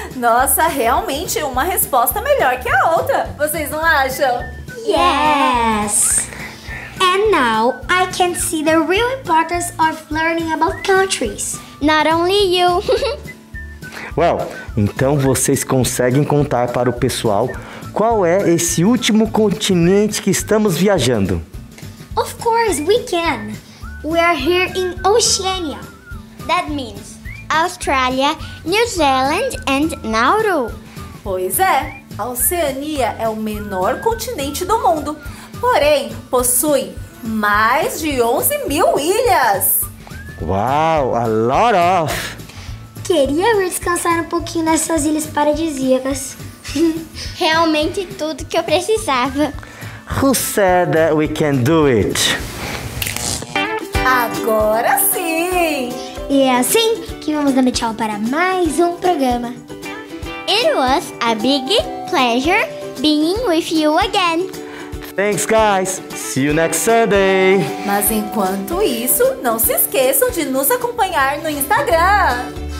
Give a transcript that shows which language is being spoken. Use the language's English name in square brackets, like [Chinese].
[Portuguese] Nossa, realmente uma resposta melhor que a outra. Vocês não acham? [English] Yes. And now I can see the real importance of learning about countries. Not only you. [Portuguese] Well, então vocês conseguem contar para o pessoal qual é esse último continente que estamos viajando? [English] Of course, we can. We are here in Oceania. That means Australia, New Zealand and Nauru. [Portuguese] Pois é, a Oceania é o menor continente do mundo, porém possui mais de 11 mil ilhas. [English] Wow, a lot of! [Portuguese] Queria descansar um pouquinho nessas ilhas paradisíacas. Realmente tudo que eu precisava. [English] Who said that we can do it? [Portuguese] Agora sim! E é assim que vamos dando tchau para mais um programa. [English] It was a big pleasure being with you again. Thanks, guys. See you next Sunday. [Portuguese] Mas enquanto isso, não se esqueçam de nos acompanhar no Instagram.